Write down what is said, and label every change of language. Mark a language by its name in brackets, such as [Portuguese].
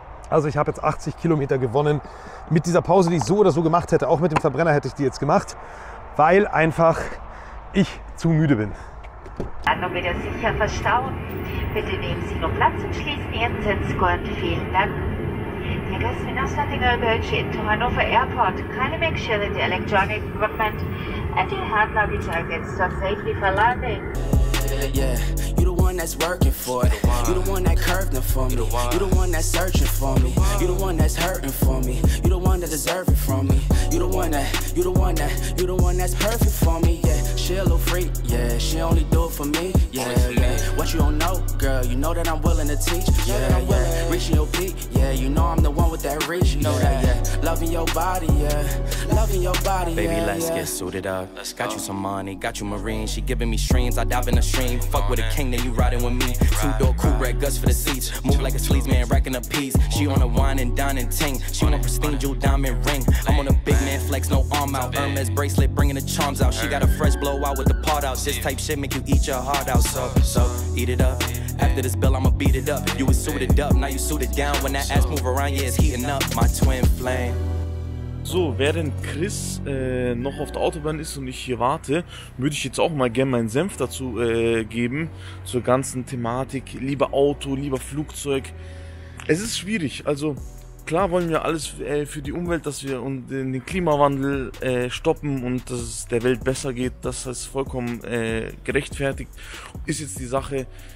[German] Also ich habe jetzt 80 Kilometer gewonnen mit dieser Pause, die ich so oder so gemacht hätte. Auch mit dem Verbrenner hätte ich die jetzt gemacht, weil einfach ich zu müde bin. Dann noch wieder sicher verstauen. Bitte nehmen Sie noch Platz und schließen Ihren Sitzgurt. Vielen Dank. Der Gast mit Nostatinger Bölsch in to Hannover Airport. [English] Keine Make-Sure the electronic equipment and your hard luggage are against to safely for landing. Yeah. That's working for it. You the one that curved them for me. You the one that's searching for me. You the one that's hurting for me. You the one that deserves it from me. You the one that, you the one that, you the one that's perfect for me. Yeah, she a little freak. Yeah, she only do it for me. Yeah. What you don't know, girl, you know that I'm willing to teach. Yeah. Reaching your peak. Yeah, you know I'm the one with that reach. You know that. Yeah. Loving your body. Yeah. Loving your body. Baby, yeah, let's get suited up. Let's go. Got you some money. Got you Marine. She giving me streams. I dive in the stream. Fuck with a king. Then you riding with me, two-door coupe, red guts for the seats. Move like a sleaze man, racking a piece. She on a wine and dine and ting. She on a pristine jewel diamond ring. I'm on a big man flex, no arm out. Hermes bracelet, bringing the charms out. She got a fresh blowout with the part out. This type shit make you eat your heart out. So eat it up. After this bill, I'ma beat it up. You was suited up, now you suited down. When that ass move around, yeah, it's heating up. My twin flame. [German] So, während Chris noch auf der Autobahn ist und ich hier warte, würde ich jetzt auch mal gerne meinen Senf dazu geben, zur ganzen Thematik, lieber Auto, lieber Flugzeug. Es ist schwierig, also klar wollen wir alles für die Umwelt, dass wir den Klimawandel stoppen und dass es der Welt besser geht, das ist vollkommen gerechtfertigt, ist jetzt die Sache.